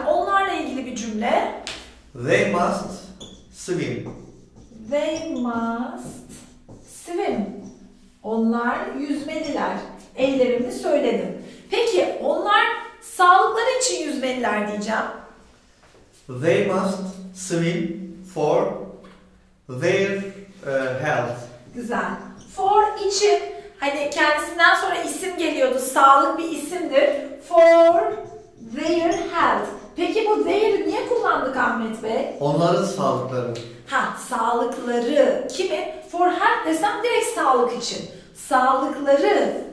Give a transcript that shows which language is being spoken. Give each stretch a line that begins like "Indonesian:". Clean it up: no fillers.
Turkish: Onlarla ilgili bir cümle.
English: They must swim. They must swim.
Turkish: Onlar yüzmeliler. Eylemimi söyledim. Peki, onlar sağlıkları için yüzmeliler diyeceğim.
English: They must swim for their health.
Turkish: Güzel. For için, hani kendisinden sonra isim geliyordu. Sağlık bir isimdir.
English: For their health.
Turkish: Peki bu their'ı niye kullandık Ahmet Bey? Onların sağlıkları. Ha, sağlıkları. Kimi?
English: For health
Turkish: desem direkt sağlık için. Sağlıkları.